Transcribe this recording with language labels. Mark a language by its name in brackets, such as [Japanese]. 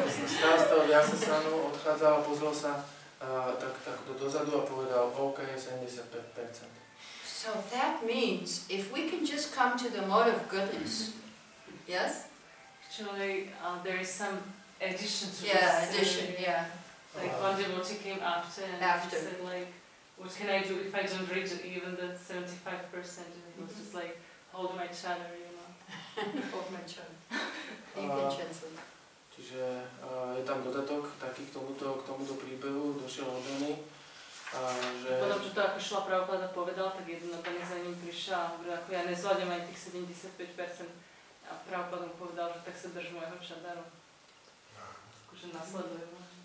[Slovak] Stál z toho Vyasasanu, odchádzal, pozrel sa tak dozadu a povedal, OK, 75%. [English] So that means, if we can just come to the mode of goodness, yes? Actually, there is some addition to this. Yeah, addition, yeah. Like one devotee came after and said like, what can I do if I don't reach even the 75%? And it was just like, hold my channel, you know. [Slovak] Čiže je tam dodatok taký k tomuto príbehu, došiel oddaný. Potom, čo to ako šla Prabhupada povedala, tak jeden oddaný za ním prišiel a hovoril, ako ja nezvládnem aj tých 75%. A Prabhupada mu povedal, že tak sa drž mojho čadaru. Akože nasleduje.